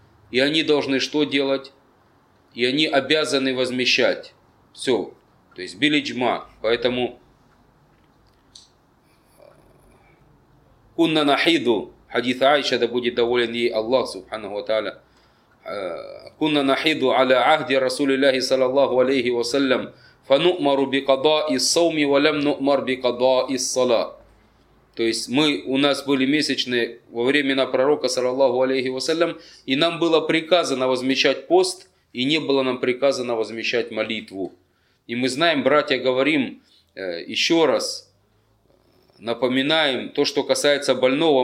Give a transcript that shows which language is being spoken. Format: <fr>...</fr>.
<ru>И они должны что делать? И они обязаны возмещать. Все. То есть биль-иджма. Поэтому</ru> <ar>кунна нахиду,</ar> <ru>хадис Аиша, да будет доволен ей Аллах, субханаху ва тааля.</ru> <ar>كنا نحيد على عهد رسول الله صلى الله عليه وسلم فنؤمر بقضاء الصوم ولم نؤمر بقضاء الصلاة.</ar> <ru>То есть у нас были месячные во времена пророка саллаллаху алейхи ва саллям, и нам было приказано возмещать пост, и не было нам приказано возмещать молитву. И мы знаем, братья, говорим еще раз, напоминаем то, что касается больного.</ru>